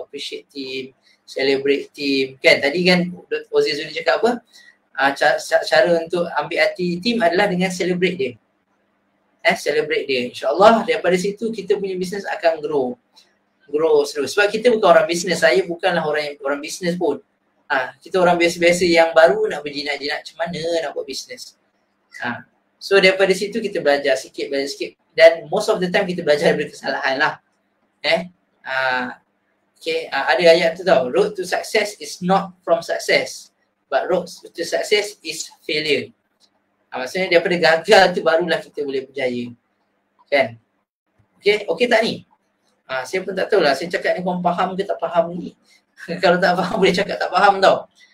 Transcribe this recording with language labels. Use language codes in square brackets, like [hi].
[en] Appreciate team, celebrate team, kan? [ms] Tadi kan Ozzy Zuri cakap apa? Cara untuk ambil hati team adalah dengan celebrate dia. Celebrate dia. InsyaAllah daripada situ kita punya business akan grow. grow slow. Sebab kita bukan orang bisnes. Saya bukanlah orang yang, orang bisnes pun. Ha, kita orang biasa-biasa yang baru nak berjinak-jinak macam mana nak buat bisnes. Ha. So daripada situ kita belajar sikit, belajar sikit. Dan [en] most of the time [ms] kita belajar daripada kesalahan lah. Eh? Ada ayat tu tau. [en] Road to success is not from success. But road to success is failure. [ms] Ha, maksudnya daripada gagal tu barulah kita boleh berjaya. Kan? Okay, okay tak ni? Ha, saya pun tak tahulah. Saya cakap ni korang faham ke tak faham ni? Kalau tak faham boleh cakap tak faham tau.